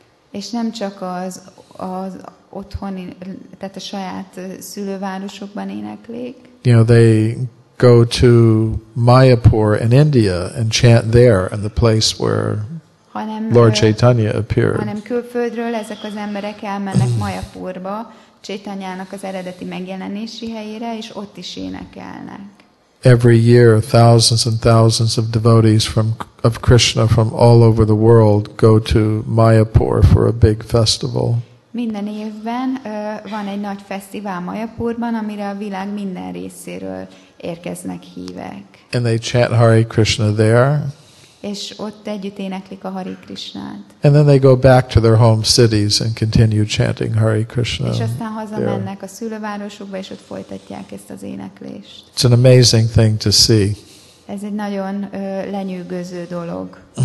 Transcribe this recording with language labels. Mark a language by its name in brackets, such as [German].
[Hungarian] és nem csak az otthoni, tehát a saját szülővárosokban éneklik. [English] You know, they go to Mayapur in India and chant there in the place where Lord Chaitanya appeared. [Hungarian] Hanem külföldről ezek az emberek elmennek Mayapurba, Chaitanyának az eredeti megjelenési helyére, és ott is énekelnek. [English] Every year, thousands and thousands of devotees of Krishna from all over the world go to Mayapur for a big festival. [Hungarian] Minden évben van egy nagy fesztivál Mayapurban, amire a világ minden részéről érkeznek hívek. [English] And they chant Hare Krishna there. [Hungarian] És ott együtt éneklik a Hare Krishnát. [English] And then they go back to their home cities and continue chanting Hare Krishna. [Hungarian] És aztán hazamennek a szülővárosukba, és ott folytatják ezt az éneklést. [English] It's an amazing thing to see. [Hungarian] Ez egy nagyon lenyűgöző dolog.